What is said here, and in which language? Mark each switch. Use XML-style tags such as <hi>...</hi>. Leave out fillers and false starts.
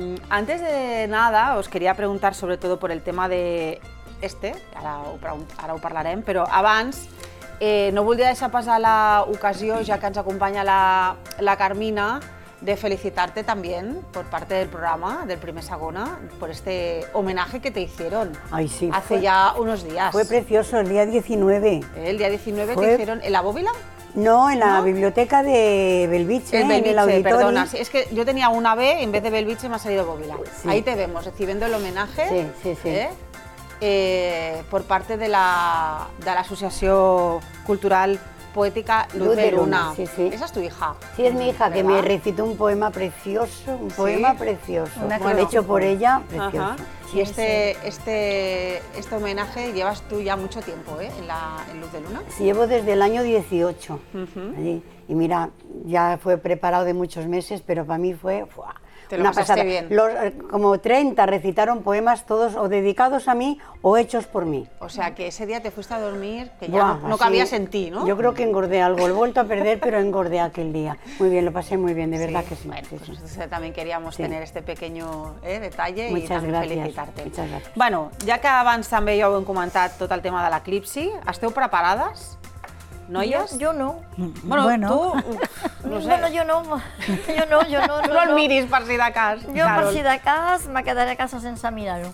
<es>Antes de nada, os quería preguntar sobre todo por el tema de este,</es> <ca>ara ho parlarem, però abans... no voldria deixar passar l'ocasió, ja que ens acompanya la Carmina, de felicitar-te també per part del programa, del primer segona, per</ca> <es>este homenaje que te hicieron. Ay, sí, hace ya unos días. Fue precioso, el día 19. El día 19 fue... te hicieron, ¿en la bóvila? No, en la biblioteca de Belviche, en el auditorio. Perdona, es que yo tenía una B, en vez de Belviche me ha salido bóvila. Sí. Ahí te vemos, recibiendo el homenaje. Sí, sí, sí. Por parte de la Asociación Cultural Poética Luz de Luna. Sí, sí. Esa es tu hija. Sí, es mi hija, ¿verdad? Que me recitó un poema precioso, bueno, hecho por ella, precioso. Ajá. Sí, y este homenaje llevas tú ya mucho tiempo, ¿eh? en Luz de Luna. Sí, llevo desde el año 18. Uh-huh. Allí. Y mira, ya fue preparado de muchos meses, pero para mí fue... ¡fua! Te lo pasaste bien. Los, como 30 recitaron poemas, todos o dedicados a mí o hechos por mí. O sea, que ese día te fuiste a dormir, que ya no cabías en ti, ¿no? Yo creo que engordé algo, lo he vuelto a perder, pero engordé aquel día. Muy bien, lo pasé muy bien, de verdad que sí. Bueno, sí, pues sí. También queríamos tener este pequeño detalle felicitarte. Muchas gracias.</es> <ca>Bueno,</ca> <es>ya que</es> <ca>abans també ja ho hem comentat tot el tema de l'eclipsi, esteu preparades? Noies? Jo no. Bueno. Tu... No sé. Bueno, jo no. No el miris per si de cas. Jo per si de cas me quedaré a casa sense mirar-ho.</ca>